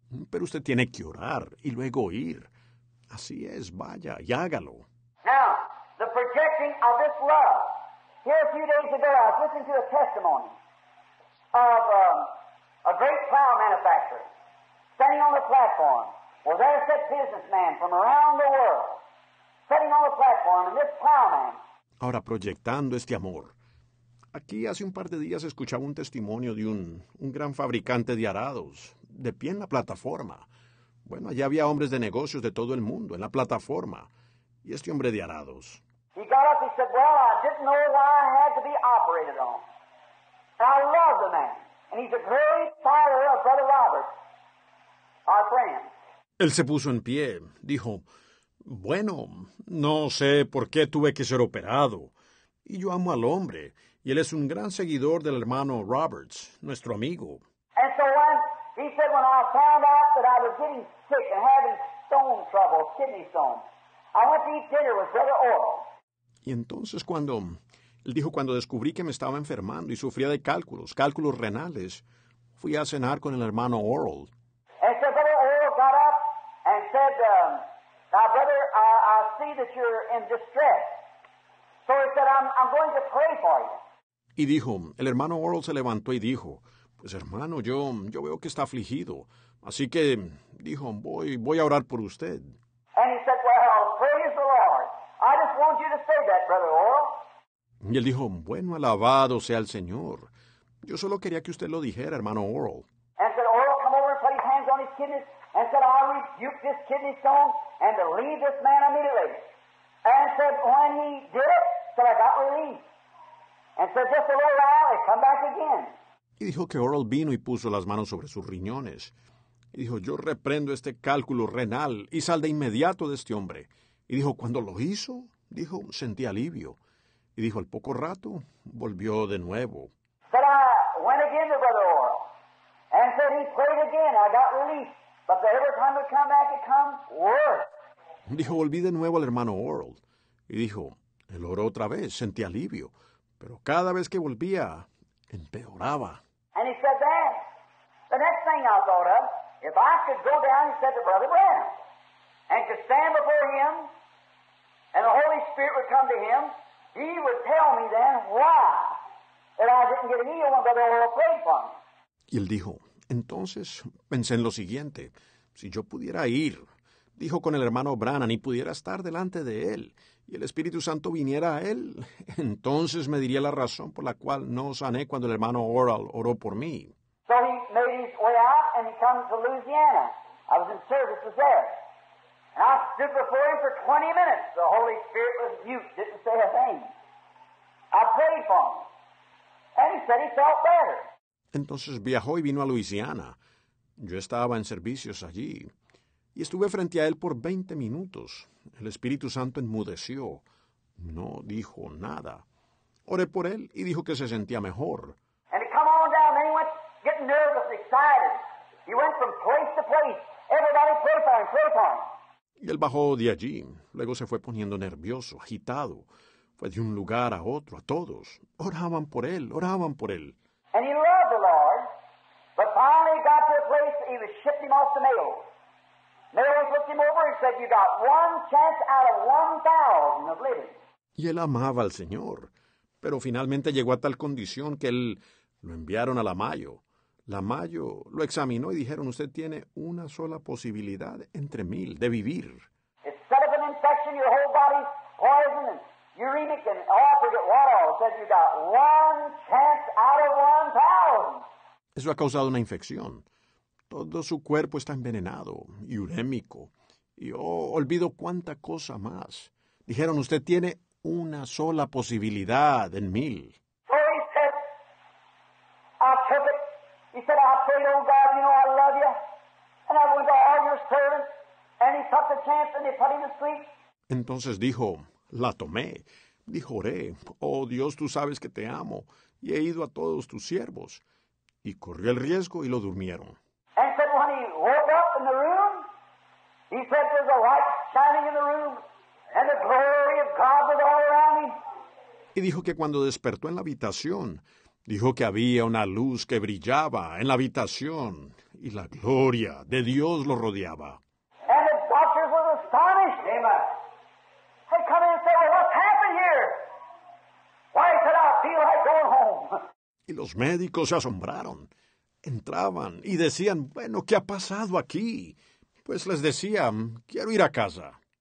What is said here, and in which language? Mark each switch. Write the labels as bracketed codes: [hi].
[es] Pero usted tiene que orar y luego ir. Así es, vaya y hágalo. [en] Now, the projecting of this love. Here a few days ago, I was listening to a testimony of a great plow manufacturer standing on the platform. Well, there sat businessman from around the world sitting on the platform, and this plowman. [es] Ahora, proyectando este amor. Aquí hace un par de días escuchaba un testimonio de un gran fabricante de arados, de pie en la plataforma. Bueno, allá había hombres de negocios de todo el mundo, en la plataforma. Y este hombre de arados. [en] He got up, he said, well, I didn't know why I had to be operated on. And I love the man. And he's a great follower of Brother Robert, our friend. [es] Él se puso en pie, dijo, bueno, no sé por qué tuve que ser operado. Y yo amo al hombre, y él es un gran seguidor del hermano Roberts, nuestro amigo. [en] And so when he said, when I found out that I was getting sick and having stone trouble, kidney stone, I went to eat dinner with Brother Oral. [es] Y entonces cuando, él dijo, cuando descubrí que me estaba enfermando y sufría de cálculos renales, fui a cenar con el hermano Oral. [en] And so Brother Oral got up and said, now, brother, I see that you're in distress. So he said, I'm going to pray for you. [es] Y dijo, el hermano Oral se levantó y dijo, pues hermano, yo veo que está afligido. Así que, dijo, voy a orar por usted. [en] And he said, well, praise the Lord. I just want you to say that, Brother Oral. [es] Y él dijo, bueno, alabado sea el Señor. Yo solo quería que usted lo dijera, hermano Oral. [en] And said, Oral, come over and put his hands on his kidneys. And said, I rebuke this kidney stone and to leave this man immediately. And said, when he did it, said, I got relief. And said, just a little while, it come back again. [es] Y dijo que Oral vino y puso las manos sobre sus riñones. Y dijo, yo reprendo este cálculo renal y sal de inmediato de este hombre. Y dijo, cuando lo hizo, dijo, sentí alivio. Y dijo, al poco rato, volvió de nuevo. [en] Said, I went again to Brother Oral. And said, he prayed again, I got relief. But the every time it come back, it comes worse. [es] Dijo, volví de nuevo al hermano Oral. Y dijo, él oró otra vez, sentí alivio. Pero cada vez que volvía, empeoraba. [en] And he said that. The next thing I thought of, if I could go down, he said to Brother Branham, and could stand before him, and the Holy Spirit would come to him, he would tell me then why that I didn't get healed when Brother Oral prayed for me. [es] Y él dijo, entonces, pensé en lo siguiente. Si yo pudiera ir, dijo con el hermano Branham, y pudiera estar delante de él, y el Espíritu Santo viniera a él, entonces me diría la razón por la cual no sané cuando el hermano Oral oró por mí. [en] So he made his way out, and he came to Louisiana. I was in service there. And I stood before him for 20 minutes. The Holy Spirit was mute, didn't say a thing. I prayed for him. And he said he felt better. [es] Entonces viajó y vino a Luisiana. Yo estaba en servicios allí. Y estuve frente a él por 20 minutos. El Espíritu Santo enmudeció. No dijo nada. Oré por él y dijo que se sentía mejor. [en] And he come on down, and he went getting nervous, excited. He went from place to place. Everybody pray for him, pray for him. [es] Y él bajó de allí. Luego se fue poniendo nervioso, agitado. Fue de un lugar a otro, a todos. Oraban por él, oraban por él. [en] And he loved the Lord, but finally got to a place he was shipped him off to Mayo. Mayo looked him over and said, "You got one chance out of 1,000 of living." [es] Y él amaba al Señor, pero finalmente llegó a tal condición que él lo enviaron a la Mayo. La Mayo lo examinó y dijeron, usted tiene una sola posibilidad entre mil de vivir. [en] Instead of an infection, your whole body's poison and uremic and all, forget what all. It says you got one chance out of 1,000. [es] Eso ha causado una infección. Todo su cuerpo está envenenado y urémico. Y olvido cuánta cosa más. Dijeron, usted tiene una sola posibilidad en mil. [en] So he said, I took it. He said, I prayed, oh God, you know I love you. And I went to all your servants. And he took the chance and he put him to sleep. [es] Entonces dijo, la tomé. Dijo, oré, oh Dios, tú sabes que te amo. Y he ido a todos tus siervos. Y corrió el riesgo y lo durmieron. [en] And said, when he woke up in the room, he said, there's a light shining in the room. And the glory of God was all around him. [es] Y dijo que cuando despertó en la habitación, dijo que había una luz que brillaba en la habitación y la gloria de Dios lo rodeaba. [en] And the doctors were astonished. They come in and said, well, what's happened here? Why should I feel like going home? [es] Y los médicos se asombraron. Entraban y decían, bueno, ¿qué ha pasado aquí? Pues les decían, quiero ir a casa.